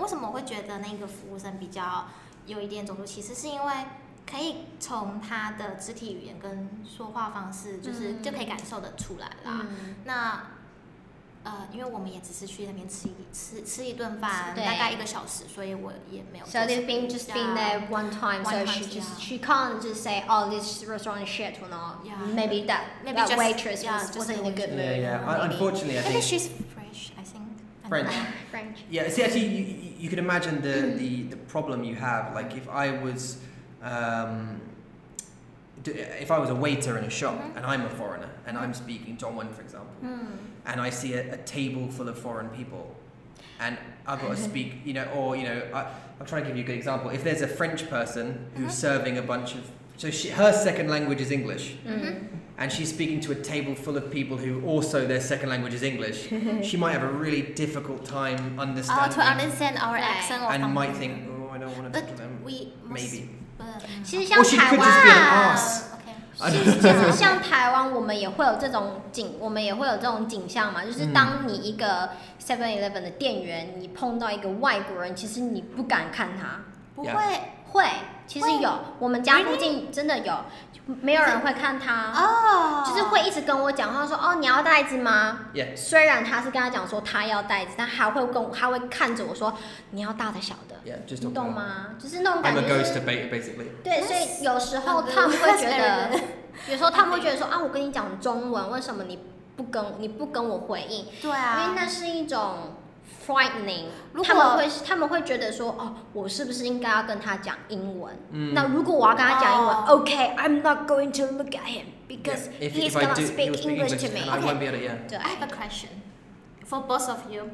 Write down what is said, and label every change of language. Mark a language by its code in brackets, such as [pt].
[zh] 为什么我会觉得那个服务生比较有一点种族歧视？是因为可以从他的肢体语言跟说话方式，就是就可以感受得出来啦。那因为我们也只是去那边吃一顿饭，大概一个小时，所以我也没有。 [en] So they've been just been there one time, so she can't just say, oh, this restaurant is shit or not. Yeah, maybe that maybe that waitress wasn't in a good mood. Yeah. Unfortunately, I think. Maybe she's French, I think. French. Yeah. See, actually, you could imagine the problem you have. Like, if I was, if I was a waiter in a shop and I'm a foreigner and I'm speaking Dongwon, for example. And I see a table full of foreign people, and I've got to speak, you know, or, you know, I'll try and give you a good example. If there's a French person who's serving a bunch of, her second language is English, and she's speaking to a table full of people who also their second language is English, she might have a really difficult time understanding. To understand our accent. And might think, oh, I don't want to talk to them. Maybe. Or she could just be an ass. [zh] 像台湾我们也会有这种景，我们也会有这种景象嘛，就是当你一个 7-Eleven 的店员，你碰到一个外国人，其实你不敢看他。不会、 [en] yeah. [zh] 会，其实有，我们家附近真的有，没有人会看他哦， [en] oh. [zh] 就是会一直跟我讲话说，哦，你要袋子吗？ [en] Yeah. [zh] 虽然他是跟他讲说他要袋子，但还会跟我，他会看着我说，你要大的小的， [en] yeah, just [zh] 你懂吗？就是那种感觉、就是。 [en] I'm a ghost debate basically. [zh] 对，所以有时候他们会觉得，有时候他们会觉得说，啊，我跟你讲中文，为什么你不跟我回应？对啊，因为那是一种。Frightening， 他们会觉得说，哦，我是不是应该要跟他讲英文、嗯？那如果我要跟他讲英文、 [en] oh. ，Okay， I'm not going to look at him because yeah, he's gonna speak English to me. Okay. I won't be able to, yeah. I have a question for both of you.、